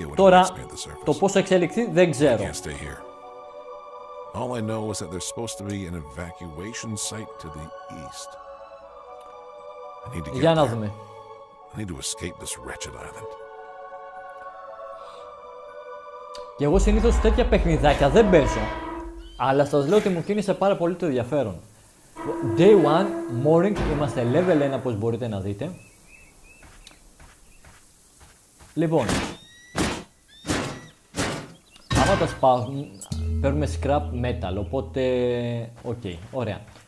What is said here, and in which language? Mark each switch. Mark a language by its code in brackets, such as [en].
[el] Τώρα, το πώς θα εξελιχθεί δεν ξέρω. [en] All I know is that there's supposed to be an evacuation site to the east. I need to get there. I need to escape this wretched island. [el] Και εγώ συνήθως τέτοια παιχνιδάκια δεν παίζω. Αλλά σας λέω ότι μου κίνησε πάρα πολύ το ενδιαφέρον. [en] Day 1, morning, [el] είμαστε [en] level 1 [el] όπως μπορείτε να δείτε. Λοιπόν, άμα τα σπάω, παίρνουμε scrap metal, οπότε, okay, ωραία.